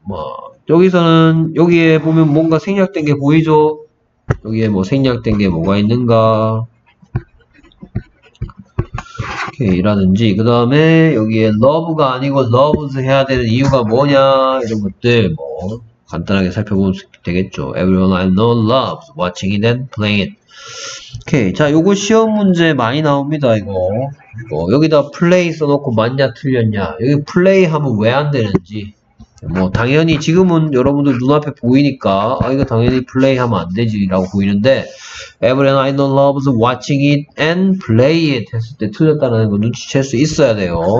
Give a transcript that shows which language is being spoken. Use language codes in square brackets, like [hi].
[ko] 뭐, 여기서는, 여기에 보면 뭔가 생략된 게 보이죠? 여기에 뭐 생략된 게 뭐가 있는가? 오케이, 라든지. 그 다음에 여기에 love가 아니고 loves 해야 되는 이유가 뭐냐? 이런 것들, 뭐, 간단하게 살펴보면 되겠죠. [en] Everyone I know loves watching it and playing it. [ko] 오케이. 자, 요거 시험 문제 많이 나옵니다, 이거. 뭐, 여기다 play 써놓고 맞냐, 틀렸냐. 여기 play 하면 왜 안 되는지. 뭐, 당연히 지금은 여러분들 눈앞에 보이니까, 아, 이거 당연히 play 하면 안 되지라고 보이는데, [en] everyone I know loves watching it and play it [ko] 했을 때 틀렸다는 거 눈치챌 수 있어야 돼요.